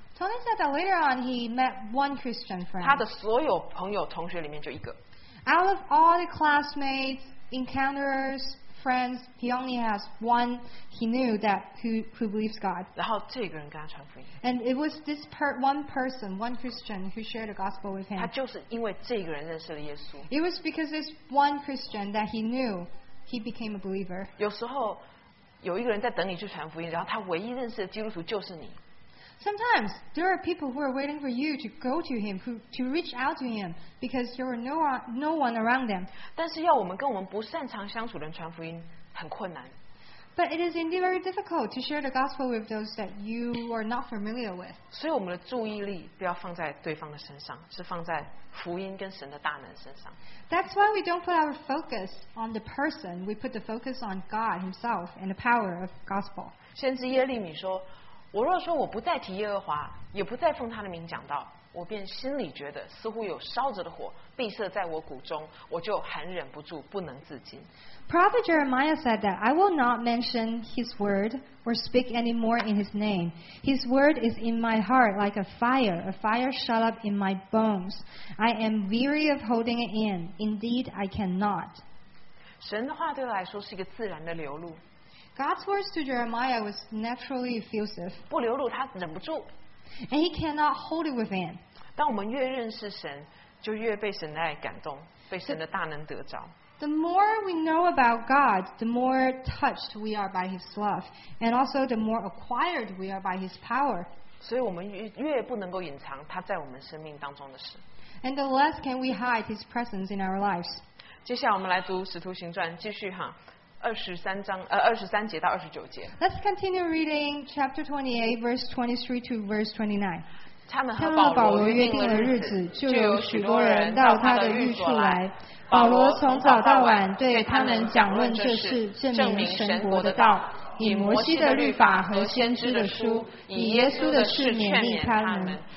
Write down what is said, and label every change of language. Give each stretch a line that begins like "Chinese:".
English: Tony said that later on he met one Christian friend.
Chinese: 他的所有朋友同学里面就一个。
English: Out of all the classmates, encounterers, friends, he only has one he knew that who believes God.
Chinese: 然后这个人跟他传福音。
English: And it was this one Christian who shared the gospel with him.
Chinese: 他就是因为这个人认识了耶稣。
English: It was because this one Christian that he knew he became a believer.
Chinese: 有时候有一个人在等你去传福音，然后他唯一认识的基督徒就是你。
English: Sometimes there are people who are waiting for you to go to him, to reach out to him, because there are no one around them.
Chinese: 但是要我们跟我们不擅长相处的人传福音很困难。
English: But it is indeed very difficult to share the gospel with those that you are not familiar with.
Chinese: 所以我们的注意力不要放在对方的身上，是放在福音跟神的大能身上。
English: That's why we don't put our focus on the person. We put the focus on God Himself and the power of gospel.
Chinese: 先知耶利米说。我若说我不再提耶和华，也不再奉他的名讲道，我便心里觉得似乎有烧着的火闭塞在我骨中，我就含忍不住，不能自禁。
English: Prophet Jeremiah said that I will not mention his word or speak any more in his name. His word is in my heart like a fire shut up in my bones. I am weary of holding it in. Indeed, I cannot.
Chinese: 神的话对我来说是一个自然的流露。
English: God's words to Jeremiah was naturally effusive.
Chinese: 不流露，他忍不住。
English: And he cannot hold it within.
Chinese: 当我们越认识神，就越被神的爱感动，被神的大能得着。
English: The more we know about God, the more touched we are by His love, and also the more acquired we are by His power.
Chinese: 所以我们越不能够隐藏他在我们生命当中的事。
English: And the less can we hide His presence in our lives.
Chinese: 接下来我们来读《使徒行传》，继续哈。 23章23节到29节。
English: Let's continue reading chapter 28, verse 23 to verse 29.
Chinese: 他们和保罗约定了日子，就有许多人到他的寓所来。保罗从早到晚对他们讲论这事，证明神国的道，以摩西的律法和先知的书，以耶稣的事勉励他们。